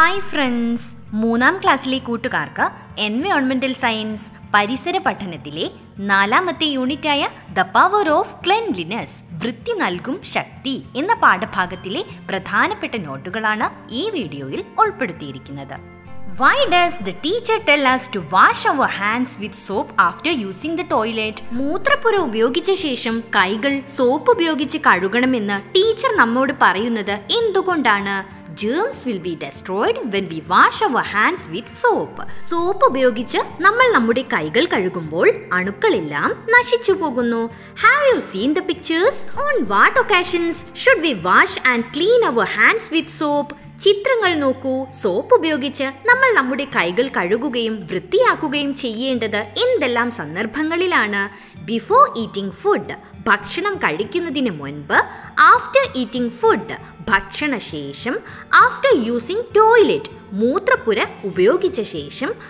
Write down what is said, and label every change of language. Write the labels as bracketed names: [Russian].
[Malayalam] Friends, മൂന്നാം ക്ലാസ്സിലെ കൂട്ടുകാർക്ക് എൻവയോൺമെന്റൽ സയൻസ് പരിസര പഠനത്തിലെ നാലാമത്തെ യൂണിറ്റായ [English] the power of cleanliness, [Malayalam] വൃത്തി നൽകും ശക്തി എന്ന പാഠഭാഗത്തിലെ പ്രധാനപ്പെട്ട നോട്ടുകളാണ് ഈ വീഡിയോയിൽ ഉൾപ്പെടുത്തിയിരിക്കുന്നത്. [English] Why does the teacher tell us to wash our hands with soap after using the toilet? [Malayalam] മൂത്രപ്പുര ഉപയോഗിച്ച ശേഷം കൈകൾ സോപ്പ് ഉപയോഗിച്ച് കഴുകണമെന്ന് ടീച്ചർ നമ്മോട് പറയുന്നത് എന്തുകൊണ്ടാണ്? [English] Germs will be destroyed when we wash our hands with soap. [Malayalam] Soap ഉപയോഗിച്ച് നമ്മൾ നമ്മുടെ കൈകൾ കഴുകുമ്പോൾ അണുക്കളെല്ലാം നശിച്ചു പോകുന്നു. [English] Have you seen the pictures? On what occasions should we wash and clean our hands with soap? [Malayalam] ചിത്രങ്ങൾ നോക്കൂ. സോപ്പ് ഉപയോഗിച്ച് നമ്മൾ നമ്മുടെ കൈകൾ കഴുകുകയും വൃത്തിയാക്കുകയും ചെയ്യേണ്ടത് എന്തെല്ലാം സന്ദർഭങ്ങളിലാണ്? [English] before eating food, [Malayalam] ഭക്ഷണം കഴിക്കുന്നതിന് മുൻപ്. [English] after eating food, [Malayalam] ഭക്ഷണ ശേഷം. [English] after using toilet, [Malayalam] മൂത്രപ്പുര ഉപയോഗിച്ച ശേഷം.